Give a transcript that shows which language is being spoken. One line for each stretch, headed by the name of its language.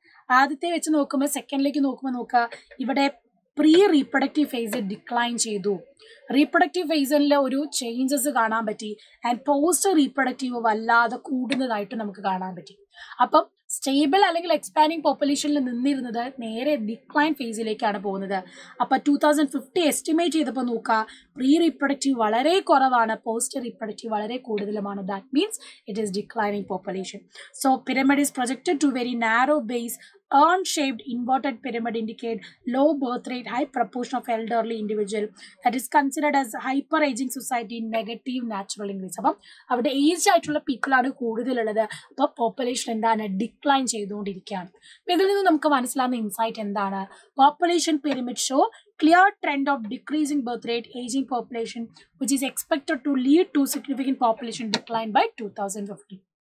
Malayalam: ആദ്യത്തെ വെച്ച് നോക്കുമ്പോൾ സെക്കൻഡിലേക്ക് നോക്കുമ്പോൾ നോക്കുക, ഇവിടെ പ്രീ റീപ്രൊഡക്റ്റീവ് ഫേസ് ഡിക്ലൈൻ ചെയ്തു, റീപ്രൊഡക്റ്റീവ് ഫേസിൽ ഒരു ചേഞ്ചസ് കാണാൻ പറ്റി, ആൻഡ് പോസ്റ്റ് റീപ്രൊഡക്റ്റീവ് വല്ലാതെ കൂടുന്നതായിട്ട് നമുക്ക് കാണാൻ പറ്റി. അപ്പം സ്റ്റേബിൾ അല്ലെങ്കിൽ എക്സ്പാൻഡിങ് പോപ്പുലേഷനിൽ നിന്നിരുന്നത് നേരെ ഡിക്ലൈൻ ഫേസിലേക്കാണ് പോകുന്നത്. അപ്പം 2050 എസ്റ്റിമേറ്റ് ചെയ്തപ്പോൾ നോക്കുക, പ്രീ റീപ്രൊഡക്റ്റീവ് വളരെ കുറവാണ്, പോസ്റ്റ് റീപ്രൊഡക്റ്റീവ് വളരെ കൂടുതലുമാണ്.
English: That means it is declining population. So pyramid is projected to very narrow base, urn-shaped inverted pyramid indicate low birth rate, high proportion of elderly individual that is considered as hyper-aging society in negative natural increase.
Malayalam: അപ്പം അവിടെ age ആയിട്ടുള്ള പീപ്പിളാണ് കൂടുതലുള്ളത്. അപ്പോൾ population എന്താണ് decline ചെയ്തുകൊണ്ടിരിക്കുകയാണ്. ഇതിൽ നിന്ന് നമുക്ക് മനസ്സിലാകുന്ന ഇൻസൈറ്റ് എന്താണ്,
English: Population pyramid show clear trend of decreasing birth rate, ageing population which is expected to lead to significant population decline by 2050.